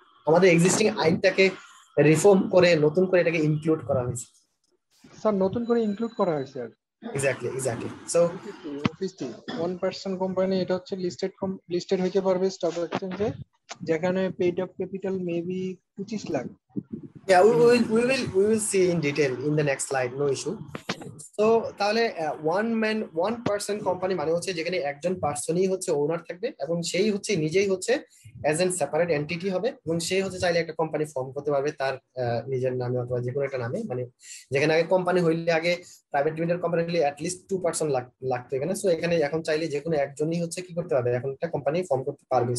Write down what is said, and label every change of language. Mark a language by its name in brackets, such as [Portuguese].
[Bangla] আমাদের existing আইনটাকে reform করে নতুন করে এটাকে ইনক্লুড করা হয়েছে স্যার, নতুন করে ইনক্লুড করা হয়েছে স্যার। Exactly exactly. সো অফিসটি ওয়ান পারসন কোম্পানি, এটা হচ্ছে লিস্টেড লিস্টেড হইতে পারবে স্টক এক্সচেঞ্জে, যেখানে paid up capital maybe 25 lakh. [English] Yeah, we will see in detail in the next slide, no issue. [Bangla] So তাহলে one man one person company মানে হচ্ছে যেখানে একজন পার্সনই হচ্ছে ওনার থাকবে এবং সেই হচ্ছে নিজেই হচ্ছে as a separate entity হবে এবং সেই হচ্ছে চাইলে একটা কোম্পানি ফর্ম করতে পারবে তার নিজের নামে অথবা যে কোনো একটা নামে, মানে যেখানে আগে কোম্পানি হইলে আগে প্রাইভেট লিমিটেড কোম্পানি হইলে at least 2% লাগতো এখানে, সো এখানে এখন চাইলে যে কোনো একজনই হচ্ছে কি করতে পারবে এখন একটা কোম্পানি ফর্ম করতে পারবে।